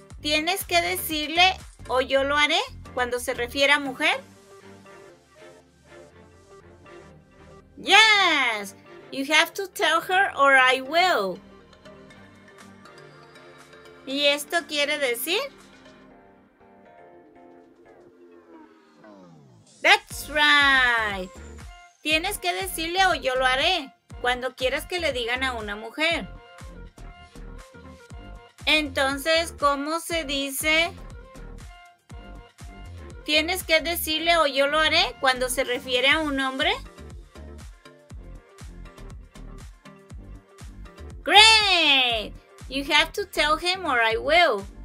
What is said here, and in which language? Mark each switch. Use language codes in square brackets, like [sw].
[es] Tienes que decirle o yo lo haré cuando se refiere a mujer. [en] Yes, you have to tell her or I will. [es] ¿Y esto quiere decir? [en] That's right. [es] Tienes que decirle o yo lo haré cuando quieras que le digan a una mujer. Entonces, ¿cómo se dice? Tienes que decirle o yo lo haré cuando se refiere a un hombre. [en] ¡Great! You have to tell him or I will.